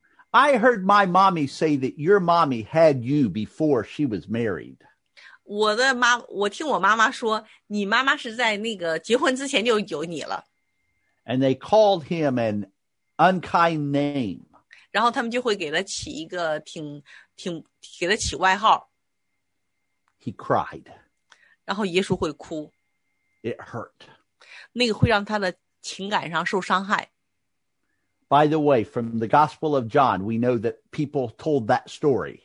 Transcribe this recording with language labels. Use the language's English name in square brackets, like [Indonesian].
[English] I heard my mommy say that your mommy had you before she was married. [Chinese] 我听我妈妈说，你妈妈是在那个结婚之前就有你了。 [English] And they called him an unkind name. [Chinese] 然后他们就会给他起一个挺给他起外号。 [English] He cried. [Chinese] 然后耶稣会哭。 [English] It hurt. [Chinese] 那个会让他的情感上受伤害。 [English] By the way, from the Gospel of John, we know that people told that story.